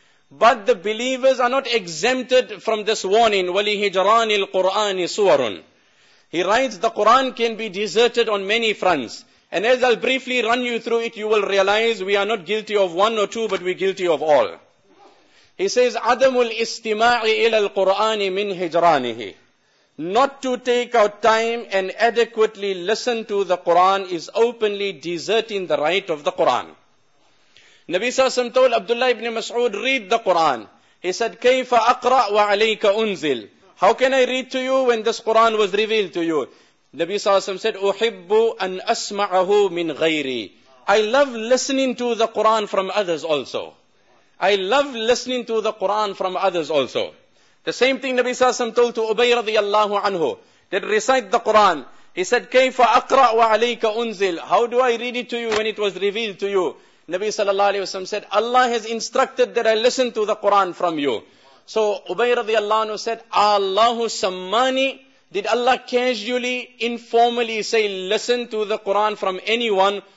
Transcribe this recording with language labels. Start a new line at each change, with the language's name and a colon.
English: But the believers are not exempted from this warning.
Arabic: وَلِهِجْرَانِ الْقُرْآنِ سُوَرٌ.
English: He writes, the Quran can be deserted on many fronts. And as I'll briefly run you through it, you will realize we are not guilty of one or two, but we're guilty of all. He says,
Arabic: عَدَمُ الْإِسْتِمَاعِ إِلَى الْقُرْآنِ مِنْ هِجْرَانِهِ.
English: Not to take out time and adequately listen to the Quran is openly deserting the right of the Quran. Nabi Sassam told Abdullah ibn Mas'ud, read the Quran. He said,
Arabic: كَيْفَ أَقْرَأْ وَعَلَيْكَ أُنزِلْ.
English: How can I read to you when this Quran was revealed to you? Nabi Sassam said,
Arabic: أُحِبُّ أَنْ أَسْمَعَهُ مِنْ غَيْرِي.
English: I love listening to the Quran from others also. I love listening to the Quran from others also. The same thing Nabi Sallallahu Alaihi Wasallam told to Ubay radiallahu anhu, that recite the Quran. He said,
Arabic: كَيْفَ أَقْرَأْ وَعَلَيْكَ أُنزِلْ.
English: How do I read it to you when it was revealed to you? Nabi Sallallahu Alaihi Wasallam said, Allah has instructed that I listen to the Quran from you. So Ubay radiallahu anhu said,
Arabic: Allahu sammani.
English: Did Allah casually, informally say, listen to the Quran from anyone?